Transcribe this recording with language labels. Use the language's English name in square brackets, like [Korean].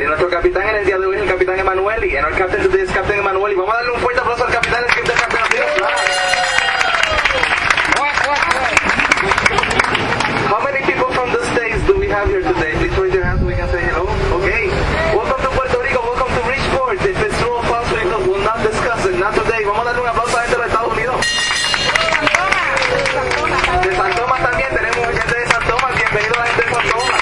[Spanish] Capitán en el día de hoy es el Capitán Emanuel y en el [English] Captain today [Spanish] es Captain Emanuel y vamos a darle un fuerte aplauso al Capitán del Club de Campeones. [English] How many people from the States do we have here today? Please raise your hand so we can say hello. Okay. Welcome to Puerto Rico, welcome to Richport. If it's true or false, we will not discuss it, not today. [Spanish] Vamos a darle un aplauso a gente de Estados Unidos. De San Tomás también, tenemos gente de San Tomás, bienvenido a la gente de San Tomás.